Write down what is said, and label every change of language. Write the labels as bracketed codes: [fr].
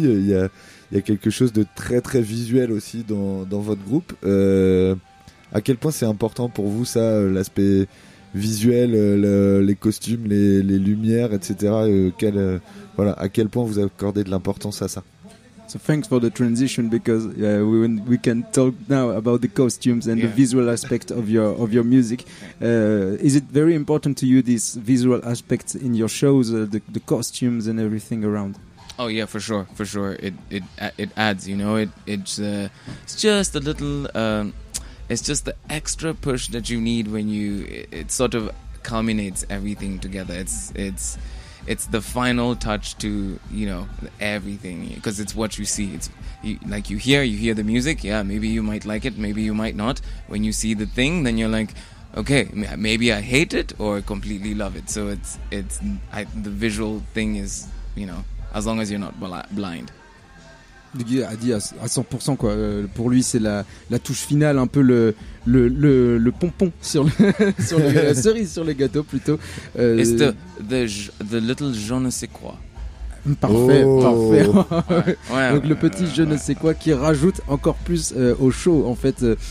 [fr] Il y a quelque chose de très très visuel aussi dans votre groupe. À quel point c'est important pour vous ça, l'aspect visuel, les costumes, les lumières, etc. À quel point vous accordez de l'importance à ça? [en] So thanks for the transition, because we can talk now about the costumes and the visual aspect of your music. Is it very important to you, this visual aspect in your shows, the costumes and everything around? Oh yeah, for sure. It adds, you know, it's just a little, it's just the extra push that you need when it sort of culminates everything together. It's the final touch to, you know, everything, because it's what you see. You hear the music. Yeah, maybe you might like it, maybe you might not. When you see the thing, then you're like, okay, maybe I hate it or completely love it. So it's the visual thing is, you know, as long as you're not blind. [fr] Il a dit à 100% quoi. Pour lui, c'est la touche finale, un peu le pompon sur la cerise sur le gâteau plutôt. [en] The little je ne sais quoi. [fr] Parfait, oh. Parfait. Ouais, donc le petit je ne sais quoi qui rajoute encore plus au show en fait.